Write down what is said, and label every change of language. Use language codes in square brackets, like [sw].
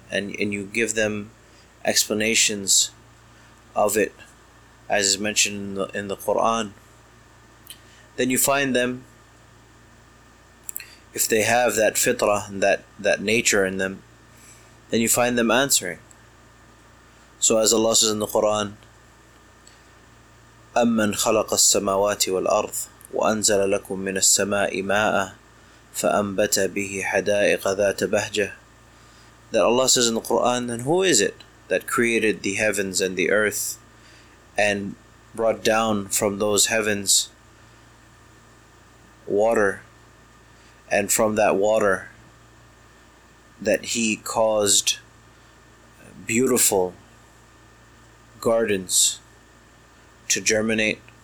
[en] And you give them explanations of it, as is mentioned in the Quran. Then you find them, if they have that fitrah, that nature in them, then you find them answering. So as Allah says in the Quran, [ar] أَمَّنْ خَلَقَ السَّمَاوَاتِ وَالْأَرْضِ وَأَنزَلَ لَكُم مِّنَ السَّمَاءِ مَاءً فَأَنبَتَ بِهِ حَدَائِقَ ذَاتَ بَهْجَةٍ. [en] That Allah says in the Quran, then who is it that created the heavens and the earth and brought down from those heavens water, and from that water that He caused beautiful gardens to germinate?